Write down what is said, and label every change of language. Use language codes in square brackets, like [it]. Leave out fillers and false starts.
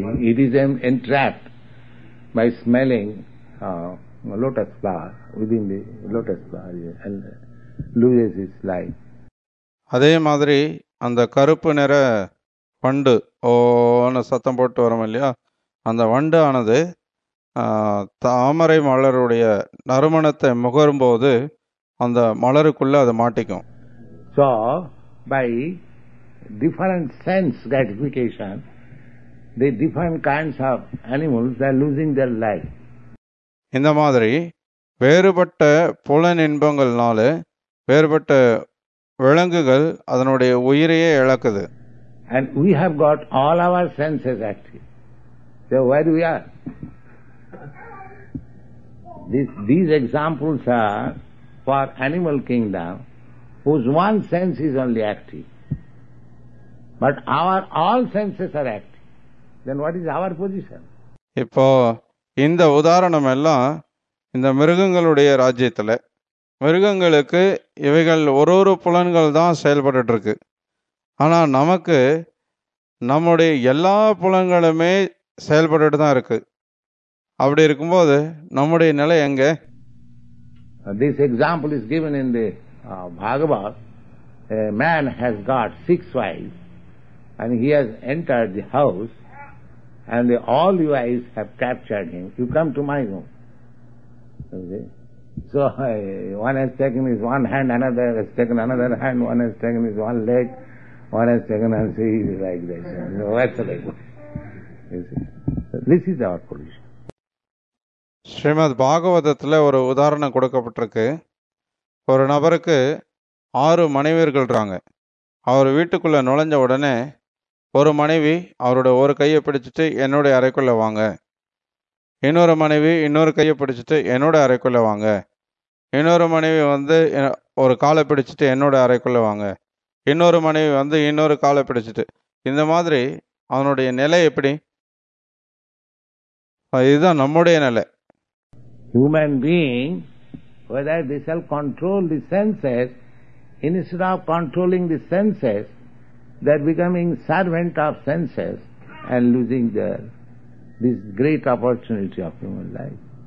[en] It is entrapped by smelling lotus flower within the lotus flower, yes, and loses its life. [ta] அதே மாதிரி அந்த கருப்பு நிற வண்டு ஓன சத்தம் போட்டு வரோம் இல்லையா, அந்த வண்டு ஆனது தாமரை மலருடைய நறுமணத்தை முகரும்போது அந்த மலருக்குள்ள அதை மாட்டிக்கும். [en] So by different sense gratification the different kinds of animals are losing their life. [ta] இந்த மாதிரி வேறுபட்ட புலன் இன்பங்கள்னால வேறுபட்ட விலங்குகள் அதனுடைய உயிரையே இழக்குது. [en] And we have got all our senses active. So where we are? These examples are for animal kingdom whose one sense is only active. But our all senses are active. Then what is our position? [ta] இப்போ இந்த உதாரணம் எல்லாம் இந்த மிருகங்களுடைய ராஜ்யத்தில் மிருகங்களுக்கு இவைகள் ஒரு ஒரு புலன்கள் தான் செயல்பட்டு இருக்கு. ஆனால் நமக்கு நம்முடைய எல்லா புலன்களுமே செயல்பட்டு தான் இருக்கு. அப்படி இருக்கும்போது நம்முடைய நிலை எங்க? [en] This example is given in the Bhagavad. A man has got six wives and he has entered the house and all the wives have captured him. You come to my room. Okay. So one has taken his one hand, another has taken another hand, one has taken his one leg, one has taken and see like this. And that's the leg. You see. So, this is our position. [ta] Srimad பாகவதத்தில் ஒரு உதாரணம் கொடுக்கப்பட்டிருக்கு. ஒரு நபருக்கு ஆறு மனைவியர்கள் இருக்காங்க. அவர் வீட்டுக்குள்ளே நுழைஞ்ச உடனே ஒரு மனைவி அவருடைய ஒரு கையை பிடிச்சிட்டு என்னுடைய அறைக்குள்ளே வாங்க, இன்னொரு மனைவி இன்னொரு கையை பிடிச்சிட்டு என்னோட அறைக்குள்ளே வாங்க, இன்னொரு மனைவி வந்து ஒரு காலை பிடிச்சிட்டு என்னோட அறைக்குள்ளே வாங்க, இன்னொரு மனைவி வந்து இன்னொரு காலை பிடிச்சிட்டு, இந்த மாதிரி அவனுடைய நிலை எப்படி? இதுதான் நம்முடைய நிலை. [en] Human being, whether they shall control the senses, instead of controlling the senses, they are becoming servant of senses and losing this great opportunity of human life.